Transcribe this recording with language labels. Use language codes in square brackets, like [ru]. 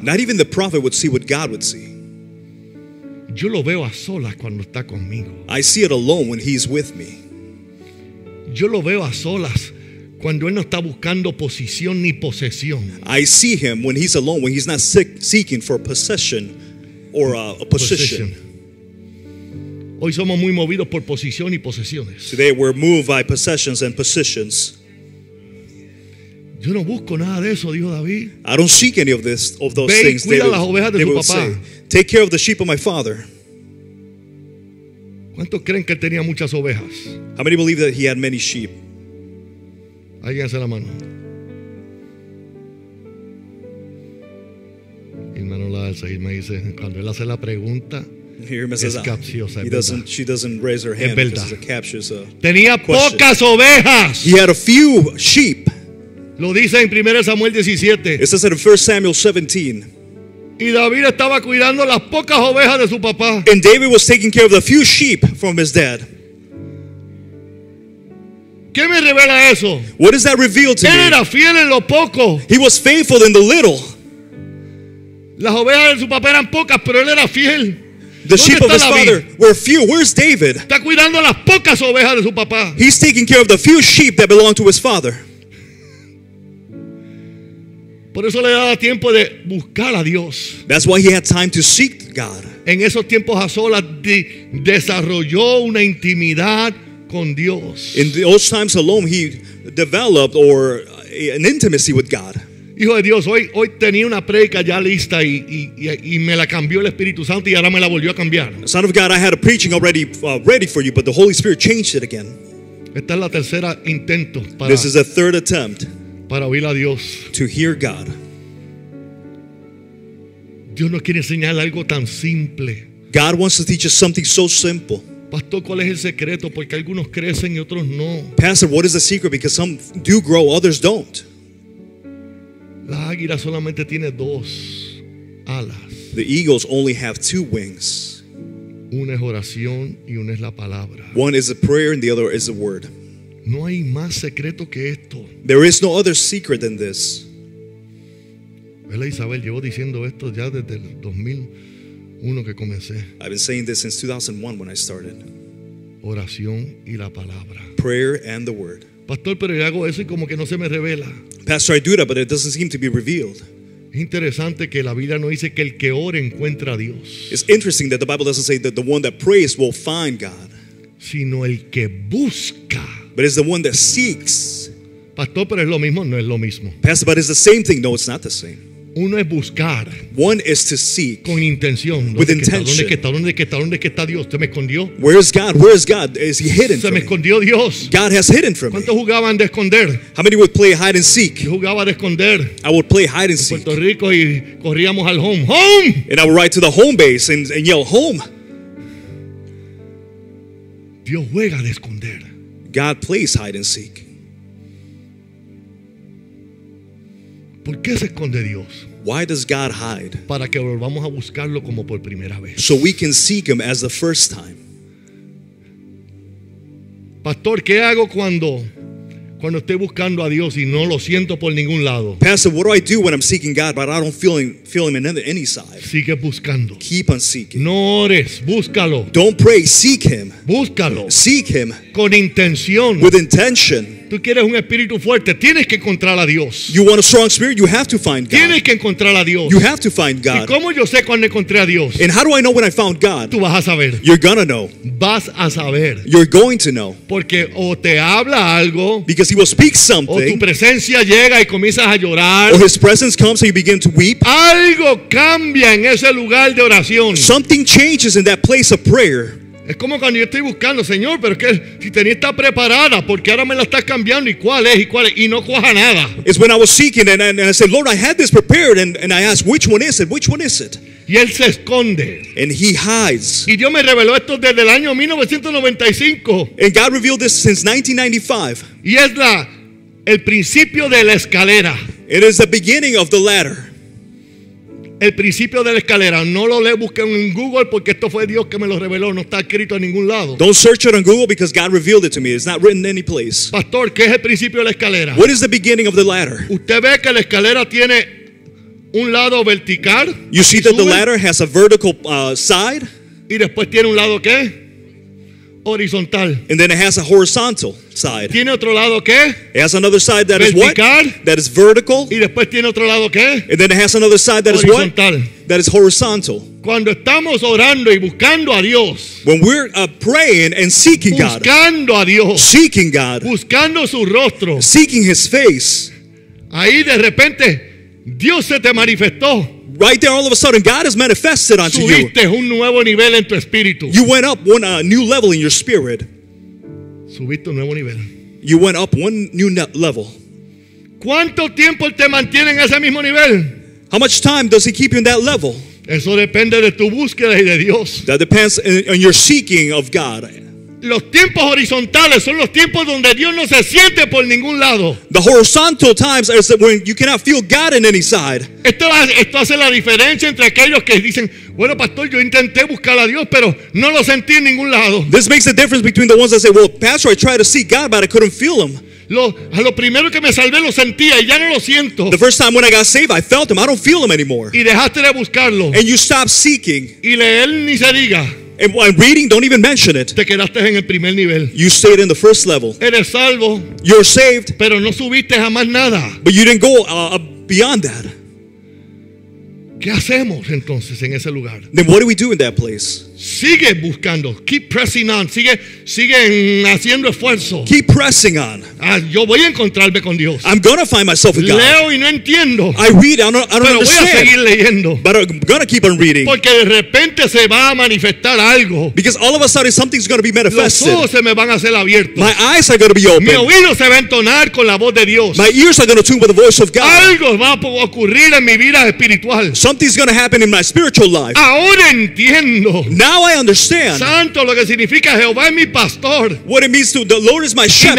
[en] Not even the prophet would see what God would see. [es] Yo lo veo a solas cuando está conmigo. [en] I see it alone when he's with me. [es] Yo lo veo a solas cuando él no está buscando posición ni posesión. [en] I see him when he's alone, when he's not seeking for possession or a position. Position. [es] Hoy somos muy movidos por posición y posesiones. [en] Today we're moved by possessions and positions. [es] Yo no busco nada de eso, dijo David. [en] I don't seek any of those [es] Ve, [en] things. [es] Cuida David, las ovejas de David su papá. [en] Say, take care of the sheep of my father. [es] ¿Cuántos creen que tenía muchas ovejas? [en] How many believe that he had many sheep? [es] Alguien hace la mano. Hermano la alza y me dice, cuando él hace la pregunta, [en] she doesn't raise her hand because it's a captious [es] Tenía [en] question. [es] Pocas ovejas. [en] He had a few sheep. [es] Lo dice en 1 Samuel 17. [en] It says in 1 Samuel 17. [es] Y David estaba cuidando las pocas ovejas de su papá. [en] And David was taking care of the few sheep from his dad. [es] ¿Qué me revela eso? [en] What does that reveal to [es] Él [en] me? [es] Era fiel en lo poco. [en] He was faithful in the little. [es] Las ovejas de su papá eran pocas, pero él era fiel. [en] The sheep of his father were few. Where's David? [es] Está cuidando las pocas ovejas de su papá. [en] He's taking care of the few sheep that belong to his father. [es] Por eso le daba tiempo de buscar a Dios. [en] That's why he had time to seek God. [es] En esos tiempos a solas desarrolló una intimidad con Dios. [en] In those times alone, he developed an intimacy with God. [es] Hijo de Dios, hoy tenía una predica ya lista y me la cambió el Espíritu Santo y ahora me la volvió a cambiar. [en] Son of God, I had a preaching already ready for you, but the Holy Spirit changed it again. [es] Esta es la tercera intento para, [en] this is the third attempt, [es] para oír a Dios. [en] To hear God. [es] Dios nos quiere enseñar algo tan simple. [en] God wants to teach us something so simple. [es] Pastor, ¿cuál es el secreto? Porque algunos crecen y otros no. [en] Pastor, what is the secret? Because some do grow, others don't. [es] La águila solamente tiene dos alas. [en] The eagles only have two wings. [es] Una es oración y una es la palabra. [en] One is a prayer and the other is a word. [es] No hay más secreto que esto. [en] There is no other secret than this. [es] Ella Isabel llevo diciendo esto ya desde el 2001 que comencé. [en] I've been saying this since 2001 when I started. [es] Oración y la palabra. [en] Prayer and the word. [es] Pastor, pero yo hago eso y como que no se me revela. [en] Pastor, I do that, but it doesn't seem to be revealed. [es] Es interesante que la Biblia no dice que el que ore encuentra a Dios. [en] It's interesting that the Bible doesn't say that the one that prays will find God. [es] Sino el que busca. [en] But it's the one that seeks. [es] Pastor, pero es lo mismo, no es lo mismo. [en] Pastor, but it's the same thing. No, it's not the same. [es] Uno es buscar. [en] One is to seek. [es] Con intención. [en] With intention. [es] ¿Dónde está? ¿Dónde está? ¿Dónde está Dios? ¿Se me escondió? [en] Where is God? Where is God? Is he hidden? [es] Se me escondió Dios. [en] God has hidden from me. [es] ¿Cuántos jugaban de esconder? [en] How many would play hide and seek? [es] Yo jugaba de esconder. [en] I would play hide and seek. [es] En Puerto Rico y corríamos al home. Home! [en] And I would ride to the home base and yell home. [es] Dios juega de esconder. [en] God plays hide and seek. [es] ¿Por qué se esconde Dios? [en] Why does God hide? [es] Para que volvamos a buscarlo como por primera vez. [en] So we can seek him as the first time. [es] Pastor, ¿qué hago cuando estoy buscando a Dios y no lo siento por ningún lado? [en] Pastor, what do I do when I'm seeking God but I don't feel him in any side? [es] Sigue buscando. [en] Keep on seeking. [es] No ores, búscalo. [en] Don't pray, seek him. [es] Búscalo. [en] Seek him. [es] Con intención. [en] With intention. [es] Tú quieres un espíritu fuerte, tienes que encontrar a Dios. [en] You want a strong spirit, you have to find God. [es] Tienes que encontrar a Dios. [en] You have to find God. [es] ¿Y cómo yo sé cuándo encontré a Dios? [en] And how do I know when I found God? [es] Tú vas a saber. [en] You're gonna know. [es] Vas a saber. [en] You're going to know. [es] Porque o te habla algo. [en] Because he will speak something. [es] O tu presencia llega y comienzas a llorar. [en] Or his presence comes and you begin to weep. [es] Algo cambia en ese lugar de oración. [en] Something changes in that place of prayer. [es] Es como cuando yo estoy buscando, Señor, pero que si tenía esta preparada, porque ahora me la estás cambiando y cuál es y cuál es y no cuaja nada. [en] It's when I was seeking and I said, Lord, I had this prepared and I asked, which one is it? Which one is it? [es] Y él se esconde. [en] And he hides. [es] Y Dios me reveló esto desde el año 1995. [en] And God revealed this since 1995. [es] Y es el principio de la escalera. [en] It is the beginning of the ladder. [es] El principio de la escalera, no lo le busqué en Google porque esto fue Dios que me lo reveló, no está escrito en ningún lado. [en] Don't search it on Google because God revealed it to me. It's not written any place. [es] Pastor, ¿qué es el principio de la escalera? [en] What is the beginning of the ladder? [es] ¿Usted ve que la escalera tiene un lado vertical? [en] You see that the ladder has a vertical side? [es] ¿Y después tiene un lado qué? Horizontal. [en] And then it has a horizontal side. [es] ¿Tiene otro lado qué? [en] It has another side that [es] vertical. [en] Is what? That is vertical. [es] ¿Y después tiene otro lado qué? [en] And then it has another side that [es] horizontal. [en] Is what? That is horizontal. [es] Cuando estamos orando y buscando a Dios. [en] When we're praying and seeking [es] buscando Buscando a Dios. [en] Seeking God. [es] Buscando su rostro. [en] Seeking his face. [es] Ahí de repente Dios se te manifestó. [en] Right there, all of a sudden, God has manifested unto you. [es] Subiste un nuevo nivel en tu espíritu. [en] You went up one new level in your spirit. [es] Subiste un nuevo nivel. [en] You went up one new level. [es] ¿Cuánto tiempo te mantiene en ese mismo nivel? [en] How much time does he keep you in that level? [es] Eso depende de tu búsqueda y de Dios. [en] That depends on your seeking of God. [es] Los tiempos horizontales son los tiempos donde Dios no se siente por ningún lado. [en] The horizontal times is when you cannot feel God in any side. [es] Esto hace la diferencia entre aquellos que dicen, bueno, pastor, yo intenté buscar a Dios, pero no lo sentí en ningún lado. [en] This makes the difference between the ones that say, well, pastor, I tried to seek God, but I couldn't feel him. [es] A lo primero que me salvé lo sentía y ya no lo siento. [en] The first time when I got saved, I felt him. I don't feel him anymore. [es] Y dejaste de buscarlo. [en] And you stopped seeking. [es] Y leer ni se diga. [en] And while reading, don't even mention it. [es] Te quedaste en el primer nivel. [en] You stayed in the first level. [es] Eres salvo. [en] You're saved. [es] Pero no subiste jamás nada. [en] But you didn't go beyond that. [es] ¿Qué hacemos entonces en ese lugar? [en] Then what do we do in that place? [es] Sigue buscando. [en] Keep pressing on. [es] Sigue haciendo esfuerzo. [en] Keep pressing on. [es] Yo voy a encontrarme con Dios. [en] I'm going to find myself with God. [es] Leo y no entiendo. [en] I read, I don't [es] pero [en] understand. [es] Voy a seguir leyendo. [en] But I'm going to keep on reading. [es] Porque de repente se va a manifestar algo. [en] Because all of a sudden something's going to be manifested. [es] Los ojos se me van a hacer abiertos. [en] My eyes are going to be open. [es] Mi oído se va a entonar con la voz de Dios. [en] My ears are going to tune with the voice of God. [es] Algo va a ocurrir en mi vida espiritual. [en] Something's going to happen in my spiritual life. [es] Ahora entiendo. [en] Now I understand. [es] Santo, lo que significa Jehová es mi pastor. [en] What it means to the Lord is my shepherd.